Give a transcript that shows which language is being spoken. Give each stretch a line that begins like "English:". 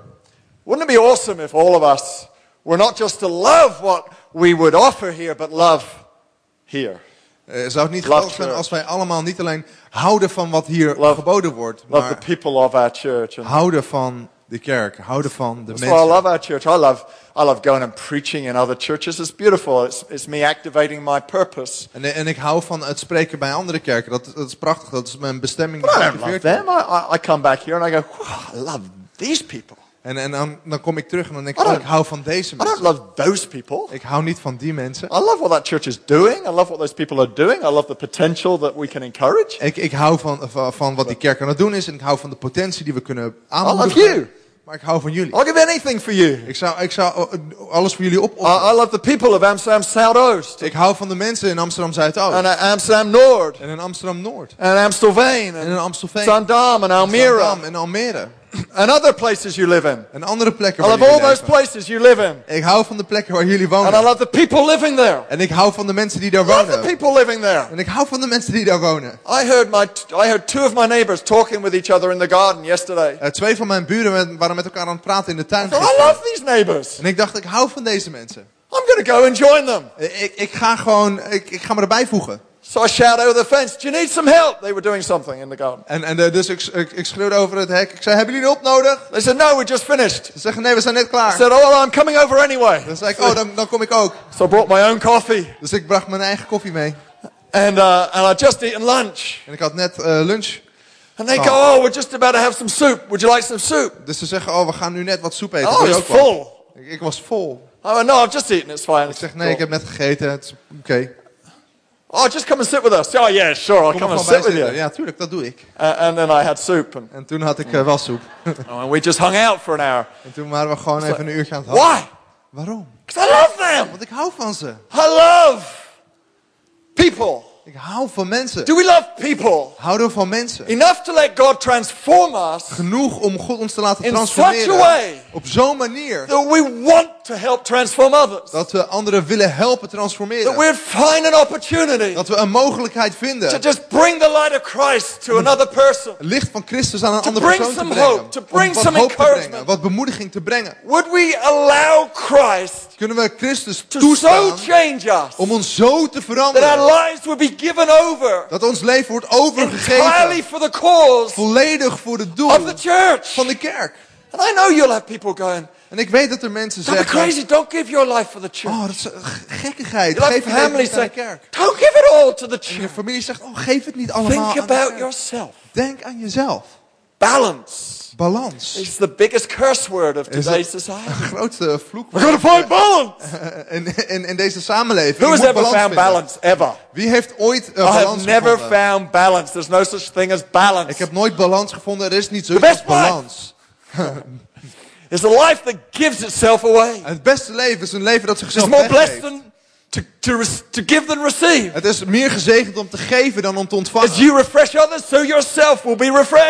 English: So, wouldn't it be awesome if all of us we're not just to love what we would offer here, but love here.
Dutch: Zou het niet geweldig zijn als wij allemaal niet alleen houden van wat hier geboden wordt, maar
English: love the people of our church.
Dutch: Houden van de kerk, houden van de mensen.
English: That's why I love our church. I love going and preaching in other churches. It's beautiful. It's me activating my purpose.
Dutch: En ik hou van het spreken bij andere kerken. Dat is prachtig. Dat is mijn bestemming.
English: But I don't love them. I come back here and I go, I love these people.
Dutch: En dan kom ik terug en dan denk ik, ik hou van deze mensen.
English: I don't love those people.
Dutch: Ik hou niet van die mensen.
English: I love what that church is doing. I love what those people are doing. I love the potential that we can encourage.
Dutch: Ik hou van wat die kerk aan het doen is en ik hou van de potentie die we kunnen aanmoedigen.
English: I love you.
Dutch: Maar ik hou van jullie.
English: I'll give anything for you.
Dutch: Ik zou alles voor jullie opofferen.
English: I love the people of Amsterdam Zuidoost.
Dutch: Ik hou van de mensen in Amsterdam Zuidoost.
English: And Amsterdam Noord.
Dutch: En in Amsterdam Noord.
English: And Amstelveen.
Dutch: En in Amstelveen. Zaandam en Almere. Zaandam en Almere.
English: And other places you live in.
Dutch: En andere plekken waar jullie
English: leven. I love all those places you live in.
Dutch: Ik hou van de plekken waar jullie wonen.
English: And I love the people living there.
Dutch: En ik hou van de mensen die daar wonen.
English: I love the people living there.
Dutch: En ik hou van de mensen die daar wonen.
English: I heard two of my neighbors talking with each other in the garden yesterday.
Dutch: Twee van mijn buren waren met elkaar aan het praten in de tuin.
English: I love these neighbors.
Dutch: En ik dacht, ik hou van deze mensen.
English: I'm gonna go and join them.
Dutch: Ik ga me erbij voegen.
English: So I shout over the fence. Do you need some help? They were doing something in the garden.
Dutch: Dus ik schreeuwde over het hek. Ik zei, hebben jullie hulp nodig?
English: They said, no, we just finished.
Dutch: Ze zeggen, nee, we zijn net klaar.
English: I said, oh, well, I'm coming over anyway.
Dutch: Dan zei ik, oh, dan kom ik ook.
English: So I brought my own coffee.
Dutch: Dus ik bracht mijn eigen koffie mee.
English: And I just eaten lunch.
Dutch: En ik had net lunch.
English: And they go, oh, we're just about to have some soup. Would you like some soup?
Dutch: Dus ze zeggen, oh, we gaan nu net wat soep eten. Oh, ik
English: was full.
Dutch: Ik was vol.
English: I went, no, I've just eaten, it's fine.
Dutch: Ik zeg, nee, ik heb net gegeten, het is okay.
English: Oh, just come and sit with us. Oh, yeah, sure, I'll come and sit with you.
Dutch: Ja, tuurlijk, dat doe ik.
English: And then I had soup.
Dutch: En toen had ik wel soep.
English: Oh, and we just hung out for an hour.
Dutch: En toen waren we gewoon even een uurtje aan het
English: hangen. Why?
Dutch: Waarom?
English: Because I love them.
Dutch: Want ik hou van ze.
English: I love people.
Dutch: Ik hou van mensen.
English: Do we love people?
Dutch: Houden we van mensen?
English: Enough to let God transform us.
Dutch: Genoeg om God ons te laten in transformeren.
English: In such a way.
Dutch: Op zo'n manier.
English: That we want to help transform others.
Dutch: Dat we anderen willen helpen transformeren.
English: That we find an opportunity.
Dutch: Dat we een mogelijkheid vinden.
English: To just bring the light of Christ to another person.
Dutch: Licht van Christus aan een andere
English: bring
Dutch: persoon
English: some
Dutch: te brengen.
English: Hope, to bring
Dutch: om wat
English: some hoop
Dutch: encouragement. Te brengen. Wat bemoediging te brengen.
English: Would we allow Christ?
Dutch: Kunnen we Christus
English: to
Dutch: toestaan?
English: So change us.
Dutch: Om ons zo te veranderen.
English: That our lives would be given over.
Dutch: Dat ons leven wordt overgegeven.
English: Entirely for the cause.
Dutch: Volledig voor het doel.
English: Of the church.
Dutch: Van de kerk.
English: And I know you'll have people going,
Dutch: En ik weet dat er mensen zeggen.
English: Don't be crazy. Don't give your life for the church.
Dutch: Oh, dat is gekkigheid. Geef het niet aan de kerk.
English: Don't give it all to the church.
Dutch: En je familie zegt, oh, geef het niet allemaal aan de kerk.
English: Think about yourself.
Dutch: Denk aan jezelf.
English: Balance.
Dutch: Balans.
English: It's the biggest curse word of today's society.
Dutch: Een grote vloek.
English: We're gonna find balance.
Dutch: In deze samenleving.
English: Who has ever found balance ever?
Dutch: Wie heeft ooit balans gevonden?
English: I have never found balance. There's no such thing as balance.
Dutch: Ik heb nooit balans gevonden. Er is niet zo'n balans.
English: The best balance. It's a life that gives itself away.
Dutch: Het beste leven is een leven dat zichzelf
English: weggeeft. It's more blessed than to give than receive.
Dutch: Het is meer gezegend om te geven dan om te ontvangen.
English: As you refresh others, so yourself will be refreshed.